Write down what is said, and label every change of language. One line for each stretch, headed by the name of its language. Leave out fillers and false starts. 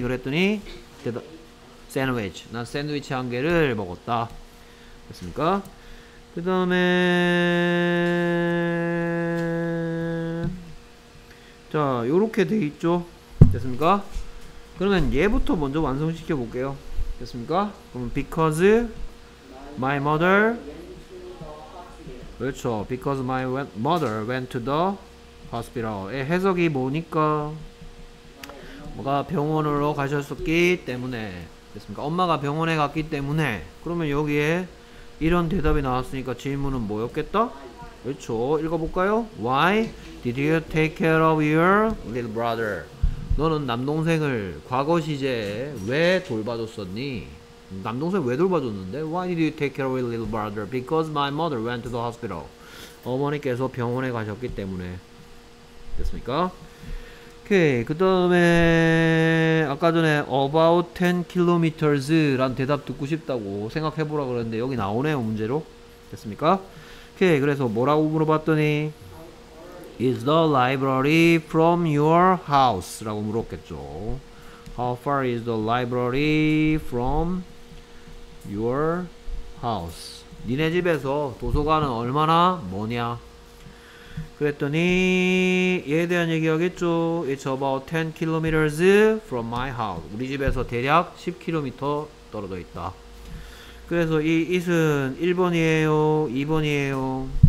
Korean: 그랬더니 대답 sandwich. 난 샌드위치 한 개를 먹었다. 됐습니까? 그 다음에 자, 요렇게 돼 있죠? 됐습니까? 그러면 얘부터 먼저 완성시켜 볼게요. 됐습니까? 그럼
English: because my mother went to the hospital.
Korean: 그렇죠.
English: Because my mother went to the hospital
Korean: 의 해석이 뭐니까? 뭐가 병원으로 가셨었기 때문에. 됐습니까? 엄마가 병원에 갔기 때문에. 그러면 여기에 이런 대답이 나왔으니까 질문은 뭐였겠다? 그렇죠. 읽어볼까요?
English: Why did you take care of your little brother?
Korean: 너는 남동생을 과거 시제에 왜 돌봐줬었니? 남동생 왜 돌봐줬는데?
English: Why did you take care of your little brother? Because my mother went to the hospital.
Korean: 어머니께서 병원에 가셨기 때문에. 됐습니까? 오케이. 그 다음에 아까 전에
English: about 10 kilometers
Korean: 라는 대답 듣고 싶다고 생각해보라 그랬는데 여기 나오네요, 문제로. 됐습니까? 오케이. 그래서 뭐라고 물어봤더니
English: Is the library from your house?
Korean: 라고 물었겠죠.
English: How far is the library from your house?
Korean: 니네 집에서 도서관은 얼마나 머냐? 그랬더니 얘에 대한 얘기하겠죠.
English: It's about 10 kilometers from my house.
Korean: 우리 집에서 대략 10km 떨어져 있다. 그래서 이 it은 1번이에요? 2번이에요?